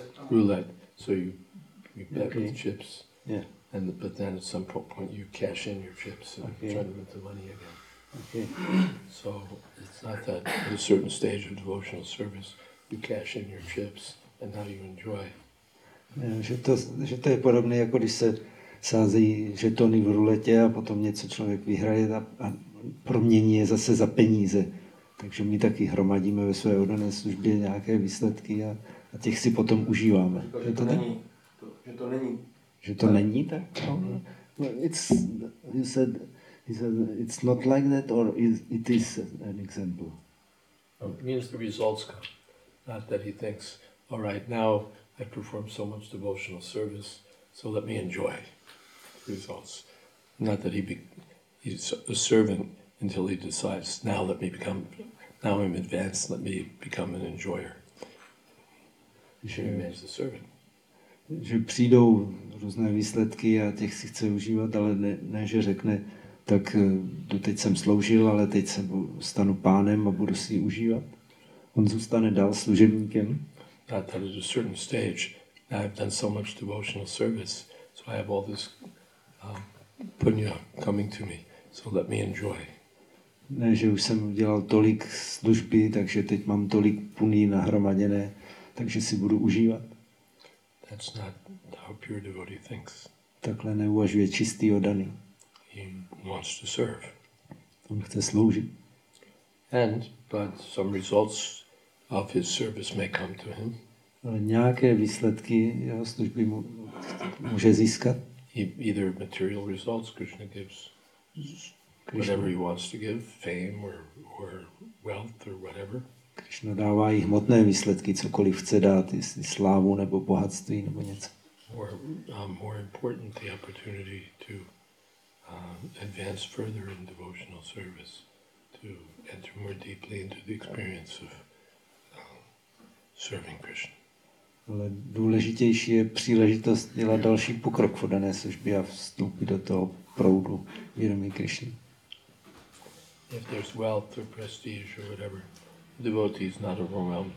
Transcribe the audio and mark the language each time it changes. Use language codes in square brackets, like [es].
[en] roulette. So you bet with chips. Yeah. And but then at some point you cash in your chips and turn them into money again. Okay. So it's not that at a certain stage of devotional service you cash in your chips and now you enjoy. [cs] Yeah, že to je podobné jako když se sázejí žetony v ruletě a potom něco člověk vyhraje a promění je zase za peníze. Takže my taky hromadíme ve své oddané službě nějaké výsledky a těch si potom užíváme. Říkal, že to není. Že to není tak? [en] No, you said it's not like that, or it is an example? It means the results come. Not that he thinks, all right, now I perform so much devotional service, so let me enjoy the results. Not that he's a servant. Until he decides, now I'm advanced, let me become an enjoyer. He remains the servant. [cs] Že přijdou různé výsledky a těch si chce užívat, ale ne že řekne, tak doteď jsem sloužil, ale teď se stanu pánem a budu si užívat. On zůstane dál služebníkem. [en] Not that at a certain stage, now I've done so much devotional service, so I have all this punya coming to me, so let me enjoy. [cs] Ne, že už jsem udělal tolik služby, takže teď mám tolik puní nahromaděné, takže si budu užívat. [en] That's not how pure devotee thinks. [cs] Takhle neuvažuje čistý oddaný. [en] He wants to serve. [cs] On chce sloužit. [en] And but some results of his service may come to him. [cs] Ale nějaké výsledky jeho služby může získat. [en] Either material results Krishna gives. Whatever he wants to give, fame or wealth or whatever. [cs] Krishna dává i hmotné výsledky, cokoliv chce dát, jestli slávu nebo bohatství nebo něco. [en] Or more important, the opportunity to advance further in devotional service, to enter more deeply into the experience of serving Krishna. [cs] Ale důležitější je příležitost dělat další pokrok v dané službě a vstoupit do toho proudu vědomí Krishny. [en] If there's wealth or prestige or whatever, the devotee is not overwhelmed.